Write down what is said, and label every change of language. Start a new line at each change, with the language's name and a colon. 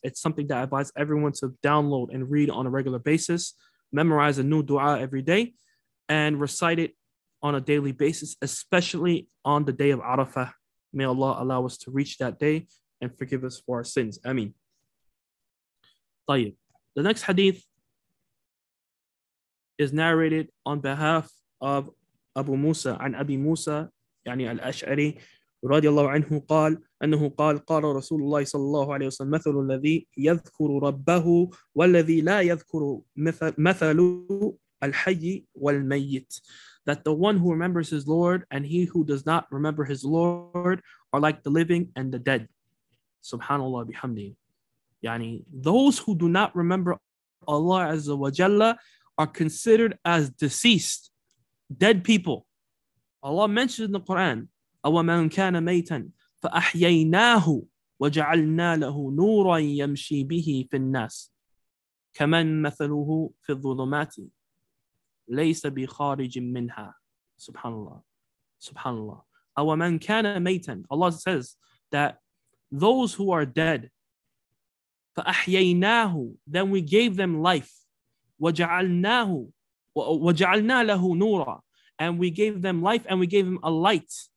English: It's something that I advise everyone to download and read on a regular basis. Memorize a new dua every day and recite it on a daily basis, especially on the day of Arafah. May Allah allow us to reach that day. and forgive us for our sins. Ameen. Tayyib. The next hadith is narrated on behalf of Abu Musa,
Arabic: عن أبي موسى, يعني الأشعري, رضي الله عنه قال, أنه قال, قال رسول الله صلى الله عليه وسلم, مثل الذي يذكر ربه والذي لا يذكر مثل الحي والميت.
English: That the one who remembers his Lord and he who does not remember his Lord are like the living and the dead. Subhanallah bihamdi. Yani, those who do not remember Allah Azza wa Jalla are considered as deceased, dead people. Allah mentions in the Quran,
Arabic: أَوَمَنْ كَانَ مَيْتًا فَأَحْيَيْنَاهُ وَجَعَلْنَا لَهُ نُورًا يَمْشِي بِهِ فِي النَّاسِ كَمَنْ مَثَلُهُ فِي الظُّلُمَاتِ لَيْسَ بِخَارِجٍ مِّنْهَا. Subhanallah. Subhanallah. أَوَمَنْ كَانَ مَيْتًا.
English: Allah says that those who are dead,
Arabic: فَأَحْيَيْنَاهُ,
English: then we gave them life.
Arabic: وَجَعَلْنَا لَهُ نُورًا,
English: and we gave them life and we gave them a light.